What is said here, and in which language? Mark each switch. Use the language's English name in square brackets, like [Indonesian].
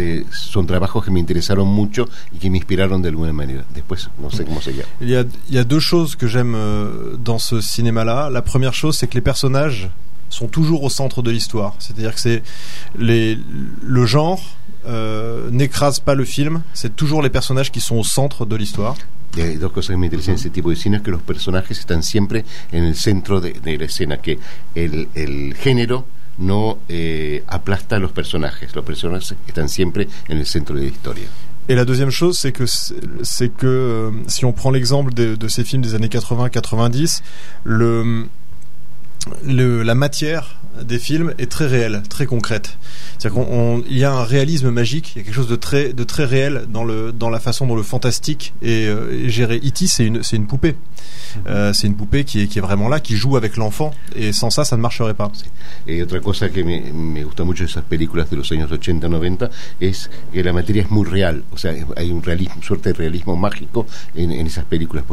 [Spanish] Son trabajos que me interesaron mucho y que me inspiraron de alguna manera. Después no sé cómo sería. [French] Il y a deux choses que j'aime dans ce cinéma-là. La première chose, c'est que les personnages sont toujours au centre de l'histoire. C'est-à-dire que le genre n'écrase pas le film. C'est toujours les personnages qui sont au centre de l'histoire. [Spanish] Y hay dos cosas que me interesan en ese tipo de cine, es que los personajes están siempre en el centro de la escena, que el género no aplasta a los personajes, los personajes están siempre en el centro de la historia. [French] Et la deuxième chose, c'est que si on prend l'exemple de ces films des années 80-90, la matière des films est très réelle, très concrète. C'est-à-dire qu'il y a un réalisme magique, il y a quelque chose de très réel dans la façon dont le fantastique est géré. E.T., c'est une poupée. C'est une poupée qui est vraiment là, qui joue avec l'enfant, et sans ça, ça ne marcherait pas. Et autre chose [Spanish] que me gusta mucho de esas películas de los años 80-90 es que la materia es muy real. O sea, hay un realismo, suerte de realismo mágico en esas películas.